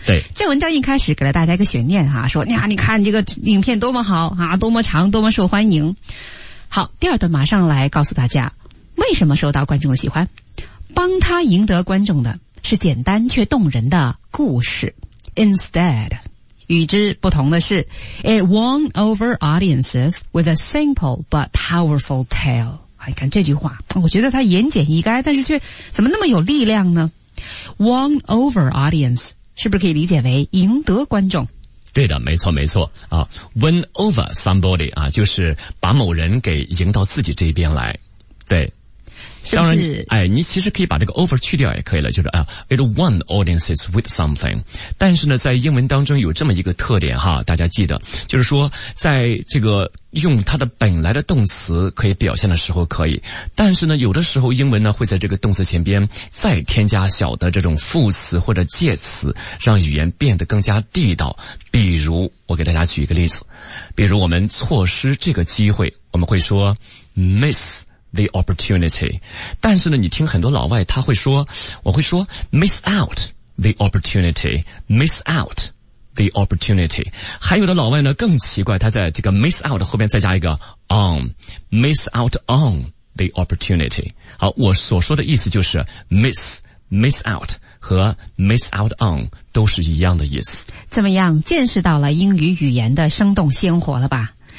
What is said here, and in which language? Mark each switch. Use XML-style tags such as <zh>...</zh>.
<zh>对，这文章一开始给了大家一个悬念哈，说呀，你看这个影片多么好啊，多么长，多么受欢迎。好，第二段马上来告诉大家，为什么受到观众的喜欢？帮他赢得观众的是简单却动人的故事。</zh> <en>Instead，与之不同的是，It won over audiences with a simple but powerful tale。</en> <zh>你看这句话，我觉得它言简意赅，但是却怎么那么有力量呢？ Won over audience 是不是可以理解为赢得观众？对的，没错没错啊 ， win over somebody 啊，就是把某人给赢到自己这边来，对。是不是当然，哎，你其实可以把这个 over 去掉也可以了，就是 it won audiences with something。但是呢，在英文当中有这么一个特点哈，大家记得，就是说，在这个用它的本来的动词可以表现的时候可以，但是呢，有的时候英文呢会在这个动词前边再添加小的这种副词或者介词，让语言变得更加地道。比如，我给大家举一个例子，比如我们错失这个机会，我们会说 miss。 The opportunity，但是呢，你听很多老外他会说，我会说 miss out the opportunity， miss out the opportunity。还有的老外呢更奇怪，他在这个 miss out 后面再加一个 on， miss out on the opportunity。好，我所说的意思就是 miss out 和 miss out on 都是一样的意思。怎么样，见识到了英语语言的生动鲜活了吧？</zh>